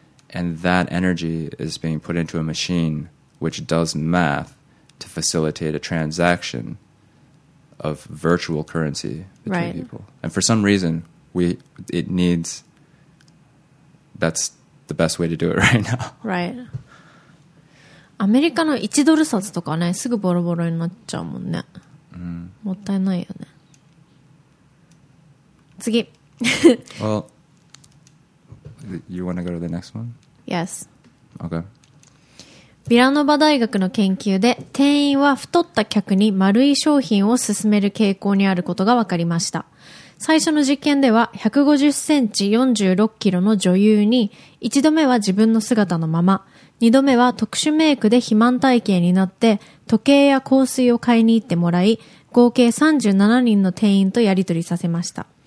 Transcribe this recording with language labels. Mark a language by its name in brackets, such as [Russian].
[English] And that energy is being put into a machine which does math. To facilitate a transaction of virtual currency between people. And for some reason, it needs... That's the best way to do it right now. Right. [Japanese] アメリカの1ドル札とかね、すぐボロボロになっちゃうもんね。もったいないよね。次。 [English] Well, you want to go to the next one? Yes. Okay. [Japanese] ビラノバ大学の研究で店員は太った客に丸い商品を勧める傾向にあることが分かりました。最初の実験では150センチ46キロの女優に1度目は自分の姿のまま、2度目は特殊メイクで肥満体型になって時計や香水を買いに行ってもらい、合計37人の店員とやり取りさせました。